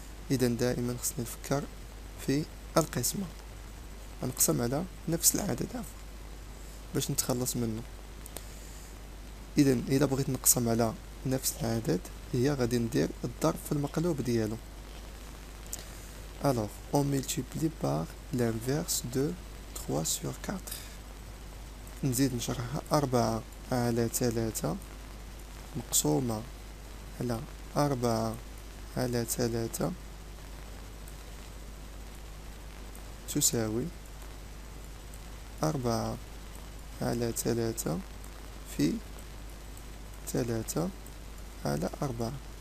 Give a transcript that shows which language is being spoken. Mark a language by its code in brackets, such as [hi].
[ar] إذا دائما خصني نفكر في القسمة، نقسم على نفس العدد عفوا باش نتخلص منه. إذا بغيت نقسم على نفس العدد هي غادي ندير الضرب في المقلوب ديالو. [fr] Alors, on multiplie par l'inverse de 3 sur 4. [ar] نزيد نشرحها. 4 على 3 مقسومة على 4 على 3 تساوي 4 على 3 في 3 على 4.